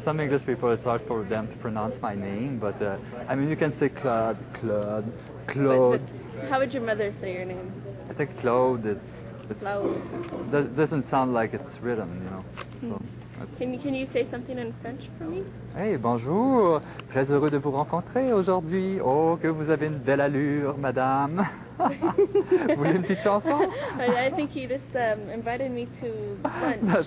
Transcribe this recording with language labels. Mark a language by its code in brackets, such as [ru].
[en] Some English people, it's hard for them to pronounce my name, but you can say Claude. But how would your mother say your name? I think Claude is. It's, Claude. Doesn't sound like it's written, you know. Can you say something in French for me? [fr] Hey, bonjour. Très heureux de vous rencontrer aujourd'hui. Oh, que vous avez une belle allure, madame. Vous voulez une petite chanson? [en] I think he just invited me to lunch.